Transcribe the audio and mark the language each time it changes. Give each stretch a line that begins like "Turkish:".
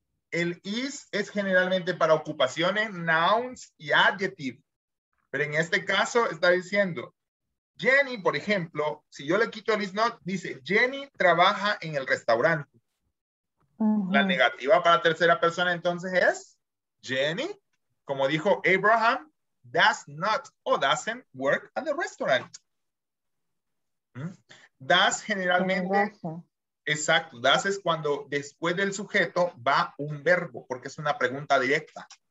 Spanish: El is es generalmente para ocupaciones, nouns y adjective. Pero en este caso está diciendo... Jenny, por ejemplo, si yo le quito el is not, dice, Jenny trabaja en el restaurante. Uh-huh. La negativa para tercera persona entonces es, Jenny, como dijo Abraham,
English: does not or doesn't work at the restaurant.
Spanish: Does generalmente, exacto, does es cuando después del sujeto va un verbo, porque es una pregunta directa.